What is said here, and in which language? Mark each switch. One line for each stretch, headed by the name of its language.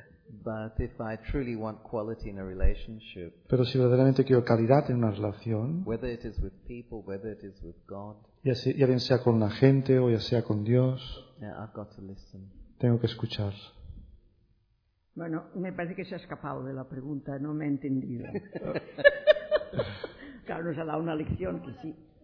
English: But if I truly want quality in a relationship,
Spanish: pero si verdaderamente quiero calidad en una relación,
English: whether it is with people, whether it is with God,
Spanish: ya bien sea con la gente o ya sea con Dios,
English: yeah, I've got to listen.
Spanish: Tengo que escuchar. Bueno, me parece que se ha escapado de la pregunta, no me ha entendido. Claro, nos ha dado una lección que sí.